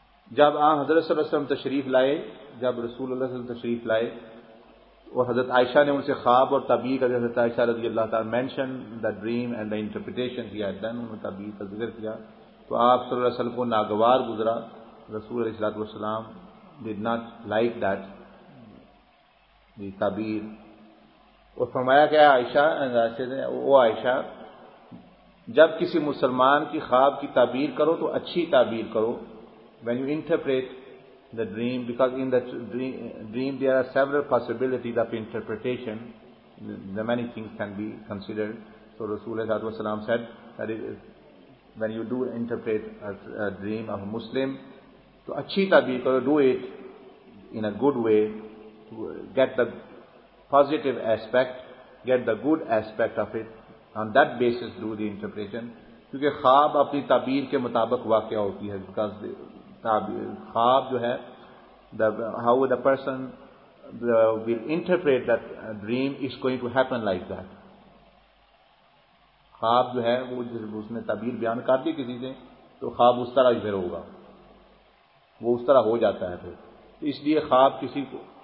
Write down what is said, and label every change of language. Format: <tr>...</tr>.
<ur>جب آن حضرت صلی اللہ علیہ وسلم تشریف لائے، جب رسول اللہ صلی اللہ علیہ وسلم تشریف لائے اور حضرت عائشہ نے ان سے خواب اور تعبیر کا، حضرت عائشہ رضی اللہ تعالیٰ</ur> <en>mention the dream and the interpretation he had done,</en> <ur>انہوں نے تعبیر کا ذکر کیا، تو آپ صلی اللہ علیہ وسلم کو ناگوار گزرا.</ur> <en>رسول علیہ الصلوۃ والسلام did not like that the تعبیر.</en> <ur>اور فرمایا کہ عائشہ، جب کسی مسلمان کی خواب کی تعبیر کرو تو اچھی تعبیر کرو.</ur> <en>When you interpret the dream, because in the dream there are several possibilities of interpretation, the many things can be considered. So رسول صلی اللہ علیہ وسلم said that when you do interpret a dream of a Muslim,</en> <ur>تو اچھی تعبیر کرو.</ur> <en>Do it in a good way to get the positive aspect, get the good aspect of it, on that basis do the interpretation.</en> <ur>کیونکہ خواب اپنی تعبیر کے مطابق واقعہ ہوتی ہے، بیکاز خواب جو ہے</ur> <en>How the person will interpret that dream is going to happen like that.</en> <ur>خواب جو ہے وہ اس نے تعبیر بیان کر دی کسی نے تو خواب اس طرح ہی پھر ہوگا، وہ اس طرح ہو جاتا ہے پھر. اس لیے خواب کسی کو</ur>